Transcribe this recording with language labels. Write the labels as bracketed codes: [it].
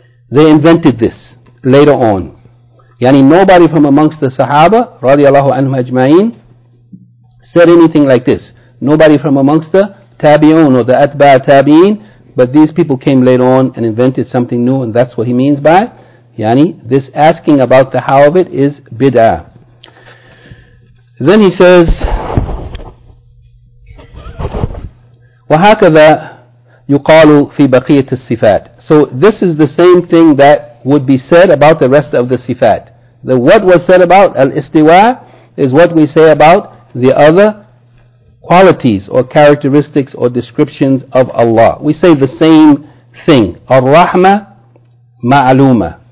[en] They invented this later on. Yani nobody from amongst the Sahaba radiallahu anhu ajma'in said anything like this. Nobody from amongst the Tabi'un or the Atba' Tabi'in, but these people came later on and invented something new, and that's what he means by yani this asking about the how of it is bid'ah. Then he says, [ar] وَهَكَذَا يُقَالُ فِي بَقِيَةِ الصِّفَاتِ. [en] So this is the same thing that would be said about the rest of the sifat. The what was said about al-istiwa is what we say about the other qualities or characteristics or descriptions of Allah. We say the same thing. [ar] Ar-Rahma Ma'aluma.